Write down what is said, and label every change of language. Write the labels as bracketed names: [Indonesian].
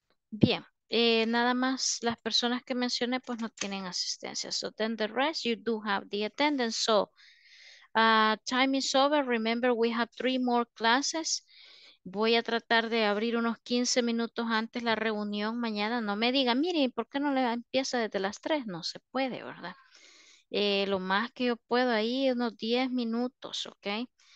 [Spanish] Bien, nada más las personas que mencioné pues no tienen asistencia. [English] So then the rest, you do have the attendance. So time is over. Remember, we have 3 more classes. [Spanish] Voy a tratar de abrir unos 15 minutos antes la reunión mañana. No me digan, mire, ¿por qué no le empieza desde las 3? No se puede, ¿verdad? Lo más que yo puedo ahí, unos 10 minutos, ¿ok?